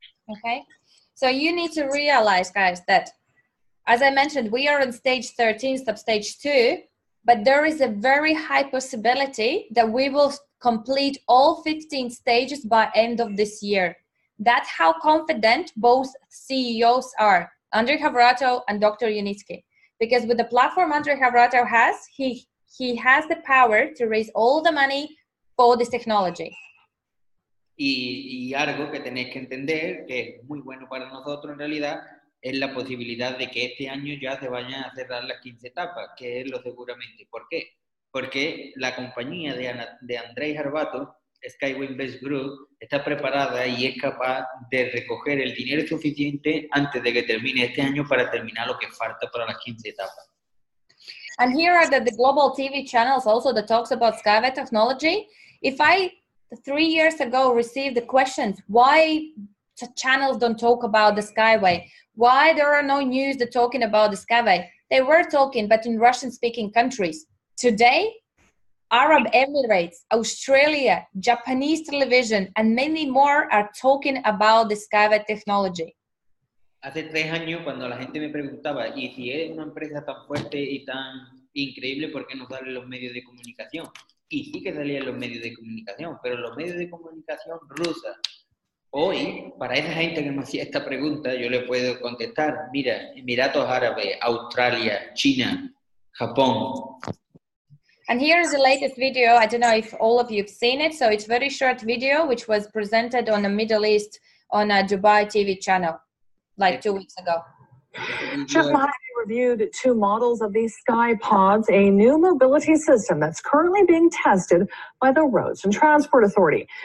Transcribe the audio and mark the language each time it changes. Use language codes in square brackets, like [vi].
[en] Okay, so you need to realize, guys, that as I mentioned, we are on stage 13, substage 2, but there is a very high possibility that we will complete all 15 stages by end of this year. That's how confident both CEOs are, Andrei Havrato and Dr. Yunitsky. Because with the platform Andrei Havrato has, he has the power to raise all the money for this technology. [es] Y algo que tenéis que entender, que es muy bueno para nosotros en realidad, es la posibilidad de que este año ya se vayan a cerrar las 15 etapas, que es lo seguramente. ¿Por qué? Porque la compañía de Andrei Harvato, SkyWay Invest Group, está preparada y es capaz de recoger el dinero suficiente antes de que termine este año para terminar lo que falta para las 15 etapas. [en] And here are the global TV channels also that talks about SkyWay technology. If I 3 years ago received the questions, why channels don't talk about the SkyWay? Why there are no news that talking about the SkyWay? They were talking, but in Russian-speaking countries. Today, Arab Emirates, Australia, Japanese television, and many more are talking about the SkyWay technology. [es] Hace 3 años, cuando la gente me preguntaba, y si es una empresa tan fuerte y tan increíble, ¿por qué no salen los medios de comunicación? Y sí que salían los medios de comunicación, pero los medios de comunicación rusa. Hoy, para esa gente que me hacía esta pregunta, yo le puedo contestar, mira, Emiratos Árabes, Australia, China, Japón. [en] And here is the latest video, I don't know if all of you have seen it, so it's a very short video which was presented on the Middle East on a Dubai TV channel, like 2 weeks ago. Reviewed two models of these sky pods, a new mobility system that's currently being tested by the Roads and Transport Authority.